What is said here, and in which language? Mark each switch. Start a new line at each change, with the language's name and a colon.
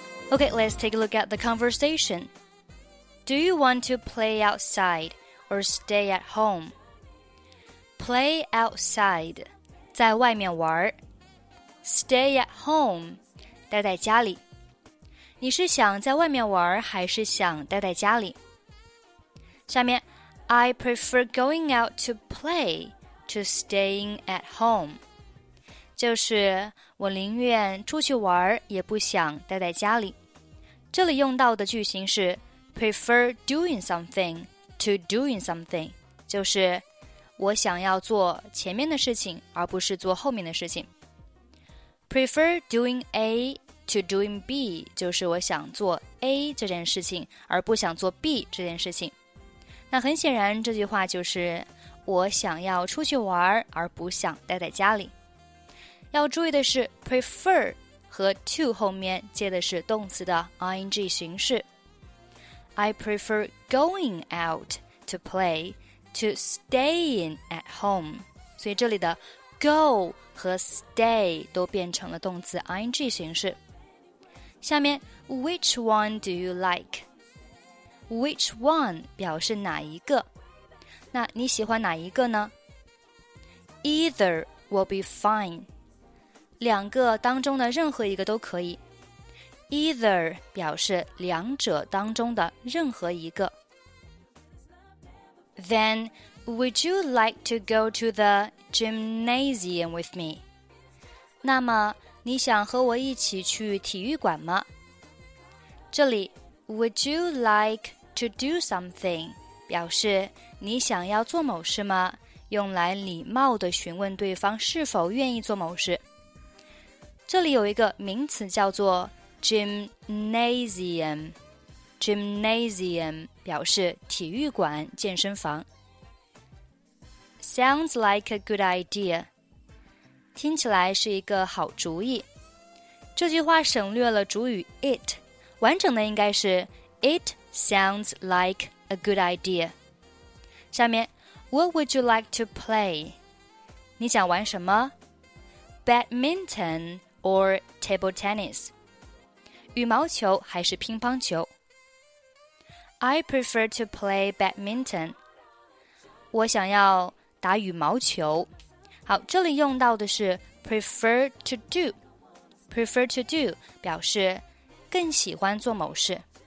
English: Okay, let's take a look at the conversation. Do you want to play outside or stay at home? Play outside,
Chinese: 在外面玩。
English: Stay at home,
Chinese: 待在家里。你是想在外面玩还是想待在家里？下面
English: I prefer going out to play to staying at home.
Chinese: 就是我宁愿出去玩也不想待在家里。这里用到的句型是
English: prefer doing something to doing something,
Chinese: 就是我想要做前面的事情而不是做后面的事情。
English: prefer doing A to doing B,
Chinese: 就是我想做 A 这件事情而不想做 B 这件事情。那很显然这句话就是我想要出去玩而不想待在家里。要注意的是 prefer,和 to 后面接的是动词的 ing 形式。
English: I prefer going out to play to staying at home.
Chinese: 所以这里的 go 和 stay 都变成了动词 ing 形式。下面
English: which one do you like? Which one
Chinese: 表示哪一个？那你喜欢哪一个呢？
English: Either will be fine.
Chinese: 两个当中的任何一个都可以。Either 表示两者当中的任何一个。
English: Then, would you like to go to the gymnasium with me?
Chinese: 那么你想和我一起去体育馆吗？这里
English: would you like to do something
Chinese: 表示你想要做某事吗？用来礼貌地询问对方是否愿意做某事。这里有一个名词叫做 gymnasium, gymnasium 表示体育馆、健身房。
English: Sounds like a good idea,
Chinese: 听起来是一个好主意。这句话省略了主语 it, 完整的应该是
English: it sounds like a good idea.
Chinese: 下面
English: what would you like to play?
Chinese: 你想玩什么？
English: Badminton,Or table tennis,
Chinese: 羽毛球还是乒乓球。
English: I prefer to play badminton.
Chinese: 我想要打羽毛球。好，这里用到的是 prefer to do. Prefer to do 表示更喜欢做某事。